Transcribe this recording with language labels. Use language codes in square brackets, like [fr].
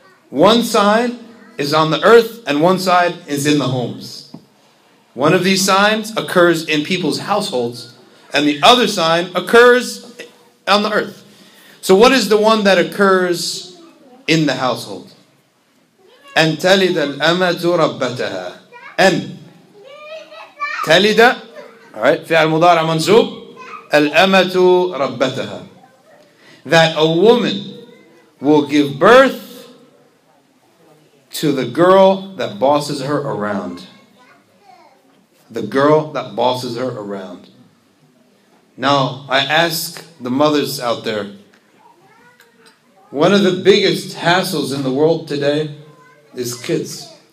[en] One sign is on the earth and one side is in the homes. One of these signs occurs in people's households and the other sign occurs on the earth. So what is the one that occurs in the household? [ar] أن تلد الأمة ربتها. أن تلد, alright, فعل مضارع منصوب, الأمة ربتها. [en] That a woman will give birth to the girl that bosses her around. The girl that bosses her around. Now, I ask the mothers out there, one of the biggest hassles in the world today is kids.